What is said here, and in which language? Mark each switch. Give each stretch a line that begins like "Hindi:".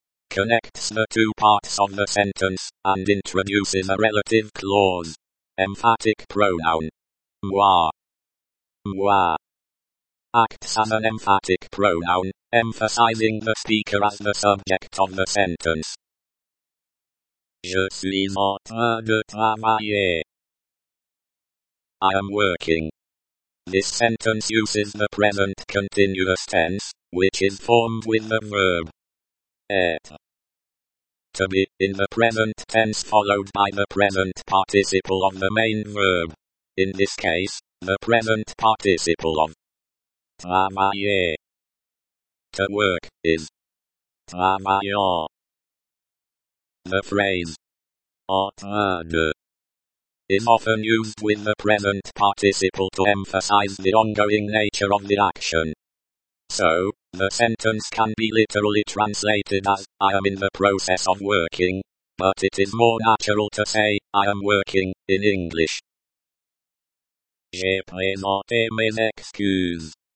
English: Connects the two parts of the sentence, and introduces a relative clause. Emphatic pronoun. Moi. Moi. Acts as an emphatic pronoun, emphasizing the speaker as the subject of the sentence.
French: Je suis en train de travailler.
English: I am working. This sentence uses the present continuous tense, which is formed with the verb être. To be, in the present tense followed by the present participle of the main verb. In this case, the present participle of travailler. To work, is travaillant. The phrase en train de is often used with the present participle to emphasize the ongoing nature of the action. So, the sentence can be literally translated as, I am in the process of working, but it is more natural to say, I am working, in English.
French: J'ai présenté mes excuses.